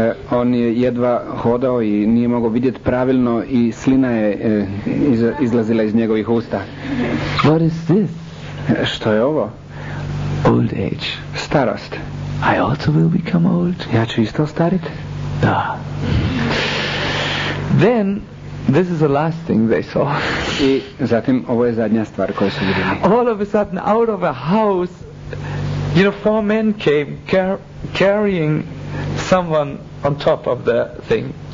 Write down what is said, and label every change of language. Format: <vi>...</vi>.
<hr>On je jedva hodao i nije mogao vidjeti pravilno i slina je izlazila iz njegovih usta.</hr> <en>What is this?</en> <hr>Što je ovo?</hr> <en>Old age.</en> <hr>Starost.</hr> <en>I also will become old.</en> <hr>Ja ću isto starit? Da.</hr> <en>Then this is the last thing they saw.</en> <hr>I zatim ovo je zadnja stvar koju su vidjeli.</hr> <en>All of a sudden out of a house, you know, four men came carrying someone on top of the thing.</en>